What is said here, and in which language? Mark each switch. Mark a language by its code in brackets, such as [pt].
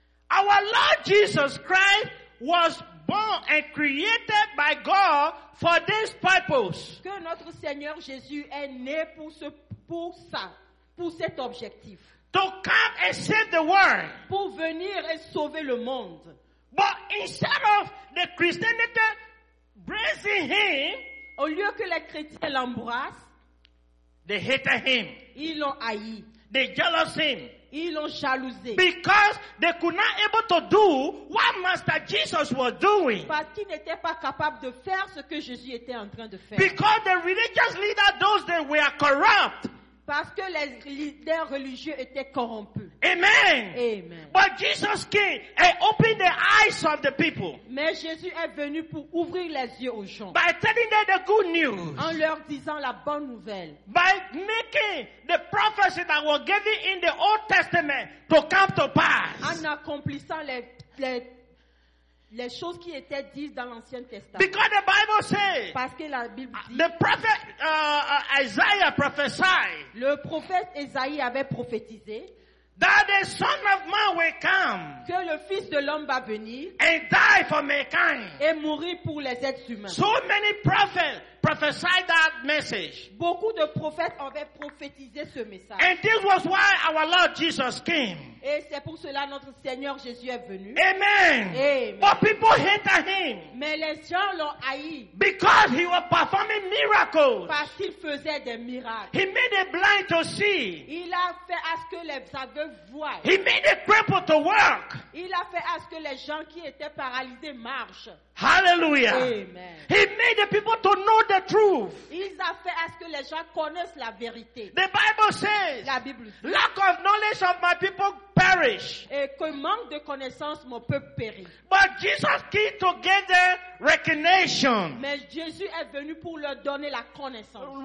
[en] our Lord Jesus Christ was born and created by God for this purpose. [fr] Que notre Seigneur Jésus est né pour ce, pour ça, pour cet objectif. [en] To come and save the world. [fr] Pour venir et sauver le monde. [en] But instead of the Christianity embracing him, [fr] au lieu que les chrétiens l'embrassent, [en] they hated him. [fr] Ils l'ont haï. [en] They jealous him. [fr] Ils l'ont jalousé. [en] Because they could not able to do what Master Jesus was doing. [fr] Parce qu'ils n'étaient pas capables de faire ce que Jésus était en train de faire. [en] Because the religious leaders, those they were corrupt. [fr] Parce que les leaders religieux étaient corrompus. [en] Amen. Amen. But Jesus came and opened the eyes of the people. [fr] Mais Jésus est venu pour ouvrir les yeux aux gens. [en] By telling them the good news. [fr] En leur disant la bonne nouvelle. [en] By making the prophecy that was given in the Old Testament to come to pass. [fr] En accomplissant les choses qui étaient dites dans l'Ancien Testament. [en] Because the Bible says, [fr] parce que la Bible dit, [en] the prophet Isaiah prophesied, [fr] le prophète Isaïe avait prophétisé, [en] that the Son of Man will come, [fr] que le Fils de l'homme va venir, [en] and die for mankind, [fr] et mourir pour les êtres humains. [en] So many prophets prophesied that message. [fr] Beaucoup de prophètes avaient prophétisé ce message. [en] And this was why our Lord Jesus came. [fr] Et c'est pour cela notre Seigneur Jésus est venu. [en] Amen. Amen. But people hated him. [fr] Mais les gens l'ont haï. [en] Because he was performing miracles. [fr] Parce qu'il faisait des miracles. [en] He made the blind to see. [fr] Il a fait à ce que les aveugles voient. [en] He made the cripple to walk. [fr] Il a fait à ce que les gens qui étaient paralysés marchent. [en] Hallelujah. Amen. He made the people to know the truth. [fr] Il a fait à ce que les gens connaissent la vérité. [en] The Bible says, [fr] la Bible dit, [en] lack of knowledge of my people perish. [fr] Et que manque de connaissance mon peuple périt. [en] But Jesus came to get their recognition. [fr] Mais Jésus est venu pour leur donner la connaissance.